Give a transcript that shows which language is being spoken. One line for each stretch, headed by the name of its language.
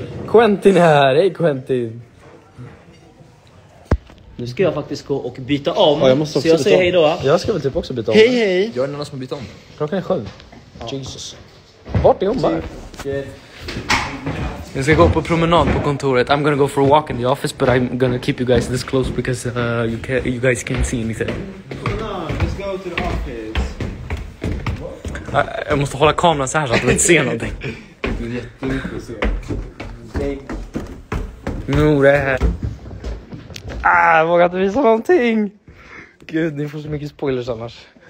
Swedish: Quentin här, hej Quentin. Nu ska jag faktiskt gå och byta om. Ja, jag måste också, så jag säger hej då. Jag ska väl typ också byta om. Hej hej. Jag är en annan som byter om. Klockan är sju. Ja. Jesus. Vart är hon bara? Jag ska gå på promenad på kontoret.
English: I'm gonna go for a walk in the office, but I'm gonna keep you guys this close because you guys can't see anything. Come on, let's go to the office.
Swedish: Jag måste hålla kameran så här så att du inte ser någonting. Det är jättemycket att se. Nu det här. Ah, jag vågar inte visa någonting. Gud, ni får så mycket spoilers annars.